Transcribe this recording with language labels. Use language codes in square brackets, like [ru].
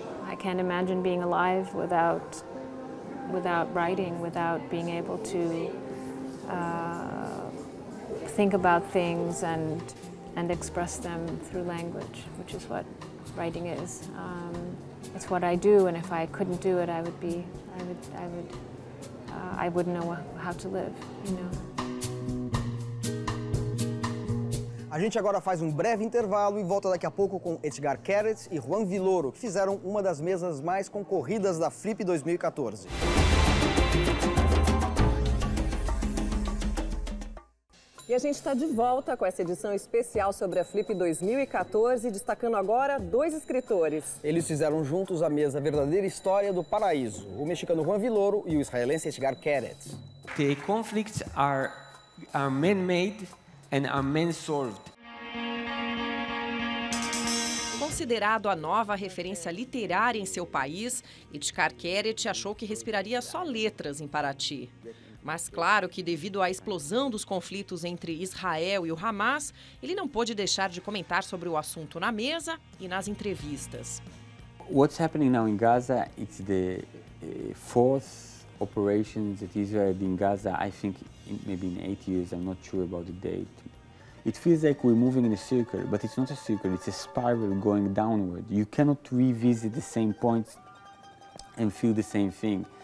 [en] I can't imagine being alive without writing, without being able to think about things and express them through language, which is what writing is. It's what I do, and if I couldn't do it, I wouldn't know how to live, you know. [pt] A gente agora faz um breve intervalo e volta daqui a pouco com Etgar Keret e Juan Villoro, que fizeram uma das mesas mais concorridas da Flip 2014. E a gente está de volta com essa edição especial sobre a Flip 2014, destacando agora dois escritores. Eles fizeram juntos a mesa Verdadeira História do Paraíso, o mexicano Juan Villoro e o israelense Etgar Keret. [en] The conflicts are man-made and are man-solved. [pt] Considerado a nova referência literária em seu país, Etgar Keret achou que respiraria só letras em Paraty. Mas claro que, devido à explosão dos conflitos entre Israel e o Hamas, ele não pôde deixar de comentar sobre o assunto na mesa e nas entrevistas. [en] What's happening now in Gaza? It's the fourth operations that Israel did in Gaza, I think maybe in 8 years, I'm not sure about the date. It feels like we're moving in a circle, but it's not a circle, it's a spiral going downward. You cannot revisit the same points and feel the same thing.